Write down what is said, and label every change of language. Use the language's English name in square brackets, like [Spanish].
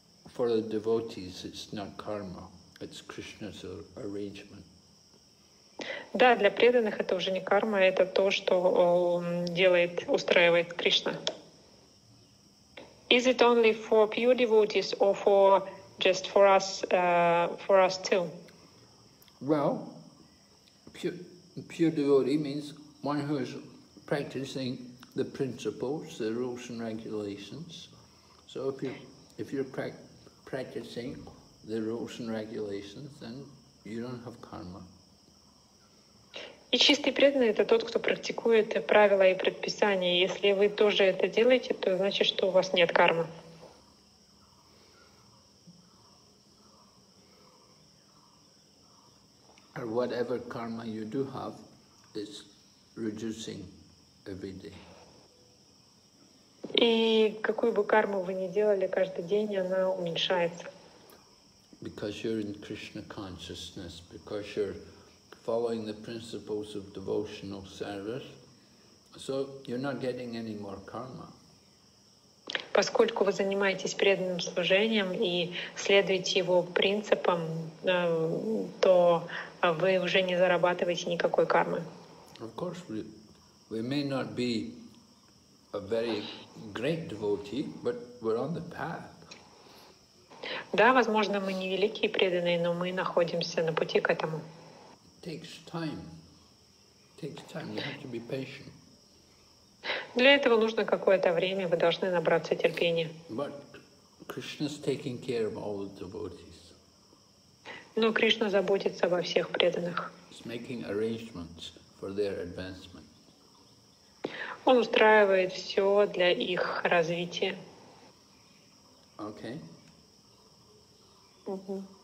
[English] For the devotees it's not karma, it's Krishna's arrangement. [Russian] Да, для преданных это уже не карма, это то, что делает, устраивает Кришна. [English] Is it only for pure devotees or for just for us too? Well, pure devotee means one who is practicing the principles, the rules and regulations. So if you're practicing the rules and regulations, then you don't have karma. [Russian] И чистый преданный — это тот, кто практикует правила и предписания. Если вы тоже это делаете, то значит, что у вас нет кармы. [English] Or whatever karma you do have, it's reducing every day. [Russian] И какую бы карму вы ни делали каждый день, она уменьшается. [English] Because you're in Krishna consciousness, because you're following the principles of devotional service, so you're not getting any more karma. [Russian] Поскольку вы занимаетесь преданным служением и следуете его принципам, то вы уже не зарабатываете никакой кармы. [English] Of course, we may not be a very great devotee, but we're on the path. [Russian] Да, возможно, мы не великие преданные, но мы находимся на пути к этому. [English] It takes time. You have to be patient. [Russian] Для этого нужно какое-то время. Вы должны набраться терпения. [English] But Krishna's taking care of all the devotees. [Russian] Но Кришна заботится обо всех преданных. [English] He's making arrangements for their advancement. [Russian] Он устраивает все для их развития. [English] Okay. [Russian] Угу.